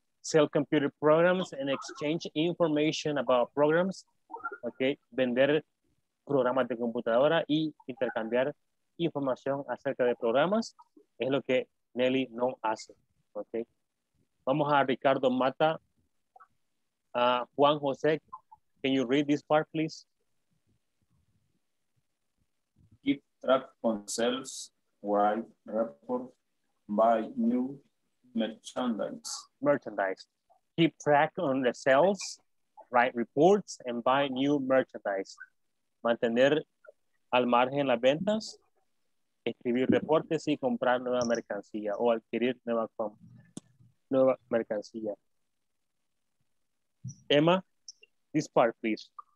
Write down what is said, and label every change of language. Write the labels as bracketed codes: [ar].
[en] Sell computer programs and exchange information about programs. [es] Okay, vender programas de computadora y intercambiar información acerca de programas, es lo que Nelly no hace. Okay. Vamos a Ricardo Mata. [en] Juan José, can you read this part, please? Keep track on sales, write report, buy new merchandise. Keep track on the sales, write reports, and buy new merchandise. [es] Mantener al margen las ventas, escribir reportes y comprar nueva mercancía o adquirir nueva mercancía. [en] Emma, this part, please.